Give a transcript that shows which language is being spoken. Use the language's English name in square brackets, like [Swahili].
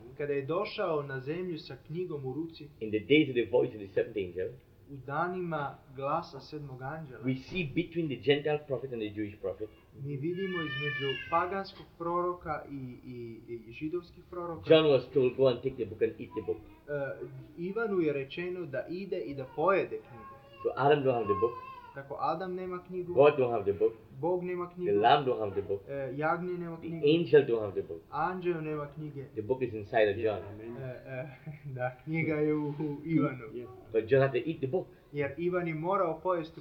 [Croatian] kada je došao na zemlju sa knjigom u ruci, [English] in the days of the voice of the seventh angel, [Croatian] u danima glasa sedmog anđela, [English] we see between the Gentile prophet and the Jewish prophet, [Croatian] mi vidimo između paganskog proroka i židovskih proroka. [English] John was told, go and take the book and eat the book. [Croatian] Ivanu je rečeno da ide i da pojede knjigu. [English] So Adam don't have the book. [Croatian] Tako Adam nema knjigu. [English] God don't have the book. [Croatian] Bog nema knjigu. [English] The Lamb don't have the book. [Croatian] Jagnje nema knjigu. [English] The angel don't have the book. [Croatian] Anđeo nema knjige. [English] The book is inside of John. [Croatian] Da, knjiga je u Ivanu. [English] Yeah. But John had to eat the book. [Croatian] Jer Ivan je morao pojesti